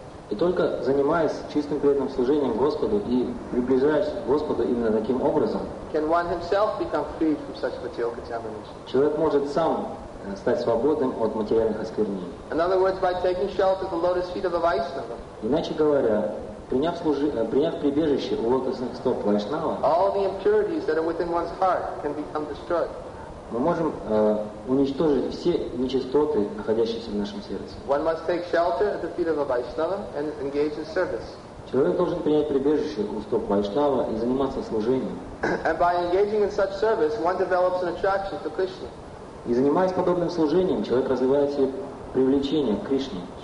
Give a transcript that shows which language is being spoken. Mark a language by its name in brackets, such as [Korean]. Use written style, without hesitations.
[Russian] И только занимаясь чистым преданным служением Господу и приближаясь к Господу именно таким образом, человек может сам стать свободным от материальных осквернений. [English] In other words, by taking shelter at the lotus feet of a Vaishnava. [Russian] Иначе говоря, приняв прибежище у лотосных стоп Вайшнава, [English] all the impurities that are within one's heart can become destroyed. [Russian] Мы можем уничтожить все нечистоты, находящиеся в нашем сердце. [English] One must take shelter at the feet of a Vaishnava and engage in service. [Russian] Человек должен принять прибежище у стоп Вайшнава и заниматься служением. [English] And by engaging in such service, one develops an attraction to Krishna. [Russian] И занимаясь подобным служением, человек развивает себе привлечение к Кришне.